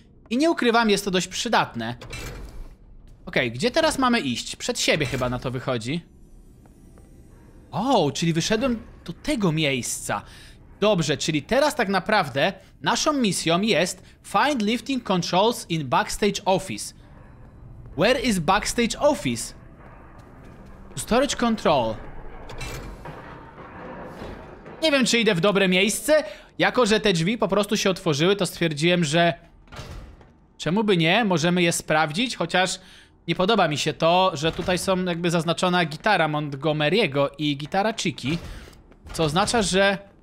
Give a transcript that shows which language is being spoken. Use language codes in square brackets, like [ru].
[pl] I nie ukrywam, jest to dość przydatne. Okej, okay, gdzie teraz mamy iść? Przed siebie chyba na to wychodzi. O, czyli wyszedłem do tego miejsca. Dobrze, czyli teraz tak naprawdę naszą misją jest [en] find lifting controls in backstage office. Where is backstage office? Storage control. [pl] Nie wiem, czy idę w dobre miejsce. Jako, że te drzwi po prostu się otworzyły, to stwierdziłem, że... Czemu by nie? Możemy je sprawdzić, chociaż... Nie podoba mi się to, że tutaj są jakby zaznaczona gitara Montgomery'ego i gitara Chiki. Co oznacza, że...